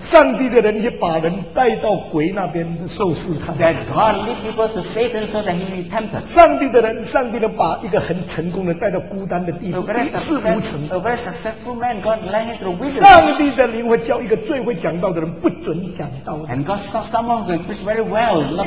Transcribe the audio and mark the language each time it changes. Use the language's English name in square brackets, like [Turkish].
[Chinese] 上帝的人也把人带到鬼那边受试探 [English] That God lead people to Satan so that he may be tempted [Chinese] 上帝的人上帝的把一个很成功的带到孤单的地步一事无成 [English] A very successful man God led him to the wilderness [Chinese] 上帝的灵会叫一个最会讲道的人不准讲道的 [English] And God saw someone who preached very well